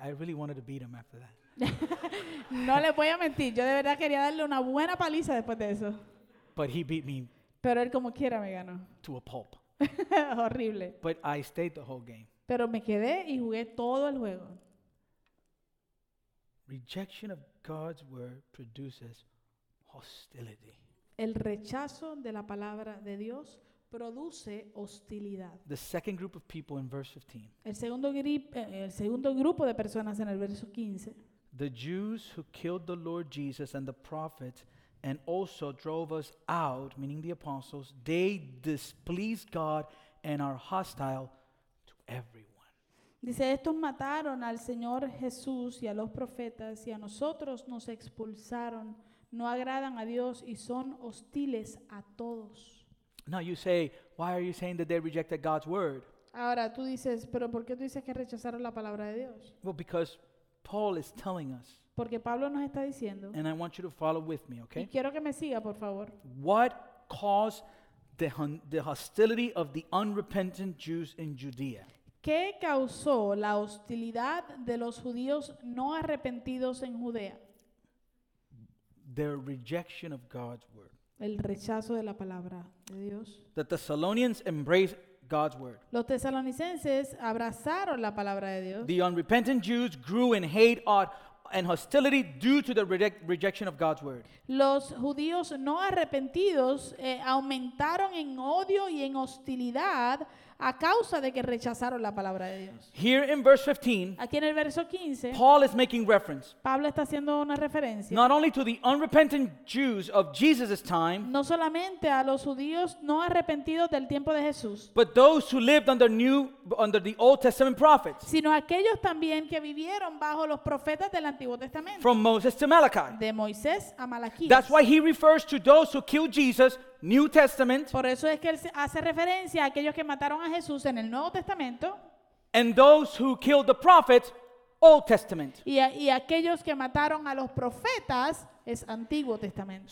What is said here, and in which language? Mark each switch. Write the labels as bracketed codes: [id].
[en] I really wanted to beat him after that. [es] No le voy a mentir. Yo de verdad quería darle una buena paliza después de eso. [en] But he beat me. [es] Pero él como quiera me ganó. [en] To a pulp. [es] Horrible. [en] But I stayed the whole game. [es] Pero me quedé y jugué todo el juego. [en] Rejection of God's word produces hostility. [es] El rechazo de la palabra de Dios produce hostilidad. [en] The second group of people in verse 15. [es] El segundo grupo de personas en el verso 15. [en] The Jews who killed the Lord Jesus and the prophets and also drove us out, meaning the apostles, they displeased God and are hostile to everyone. [es] Dice, estos mataron al Señor Jesús y a los profetas y a nosotros nos expulsaron. No agradan a Dios y son hostiles a todos. [en] Now you say, why are you saying that they rejected God's word? [es] Ahora tú dices, pero ¿por qué tú dices que rechazaron la palabra de Dios? [en] Well, because Paul is telling us. [es] Porque Pablo nos está diciendo. [en] And I want you to follow with me, okay? [es] Y quiero que me siga, por favor. [en] What caused the hostility of the unrepentant Jews in Judea? [es] ¿Qué causó la hostilidad de los judíos no arrepentidos en Judea? [en] Their rejection of God's word. [es] El rechazo de la palabra de Dios. [en] The Thessalonians embraced God's word. [es] Los tesalonicenses abrazaron la palabra de Dios. [en] The unrepentant Jews grew in hate and hostility due to the rejection of God's word. [es] Los judíos no arrepentidos aumentaron en odio y en hostilidad a causa de que rechazaron la palabra de Dios. [en] Here in verse 15, [es] aquí en el verso 15, [en] Paul is making reference. [es] Pablo está haciendo una referencia. [en] Not only to the unrepentant Jews of Jesus' time. [es] No solamente a los judíos no arrepentidos del tiempo de Jesús. [en] But those who lived under the Old Testament prophets. [es] Sino aquellos también que vivieron bajo los profetas del Antiguo Testamento. [en] From Moses to Malachi. [es] De Moisés a Malaquías. [en] That's why he refers to those who killed Jesus. New Testament. [es] Por eso es que él hace referencia a aquellos que mataron a Jesús en el Nuevo Testamento. [en] And those who killed the prophets, Old Testament. [es] Y aquellos que mataron a los profetas es Antiguo Testamento.